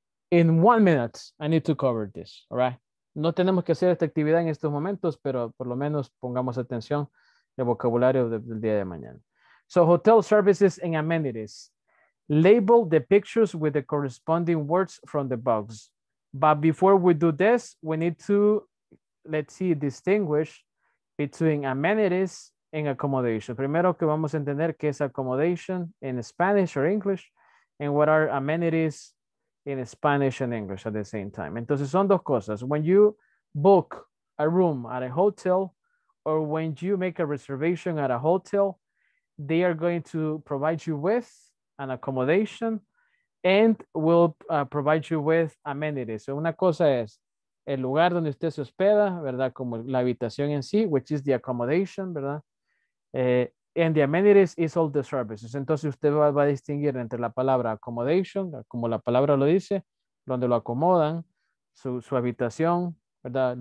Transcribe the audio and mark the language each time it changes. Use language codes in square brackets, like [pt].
[en] In 1 minute, I need to cover this, all right? [es] No tenemos que hacer esta actividad en estos momentos, pero por lo menos pongamos atención al vocabulario del día de mañana. [en] So, hotel services and amenities. Label the pictures with the corresponding words from the box. But before we do this, we need to, let's see, distinguish between amenities and accommodation. [es] Primero que vamos a entender qué es [en] accommodation in Spanish or English, and what are amenities in Spanish and English at the same time. [es] Entonces son dos cosas. [en] When you book a room at a hotel, or when you make a reservation at a hotel, they are going to provide you with an accommodation and will provide you with amenities. [es] So una cosa es el lugar donde usted se hospeda, ¿verdad? Como la habitación en sí, [en] which is the accommodation, ¿verdad? And the amenities is all the services. [es] Entonces usted va a distinguir entre la palabra accommodation, como la palabra lo dice, donde lo acomodan, su habitación, ¿verdad?